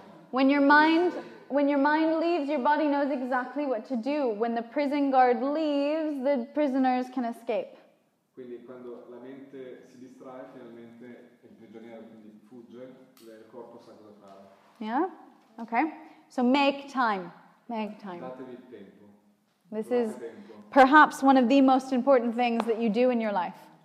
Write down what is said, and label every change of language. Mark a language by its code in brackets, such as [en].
[en] When your mind leaves, your body knows exactly what to do. When the prison guard leaves, the prisoners can escape. [it] Quindi quando la mente si distrae, finalmente il prigioniero quindi fugge, il corpo sa cosa fare. [en] Yeah? Okay. So make time. Make time. [it] Datevi tempo. [en] This is perhaps one of the most important things that you do in your life.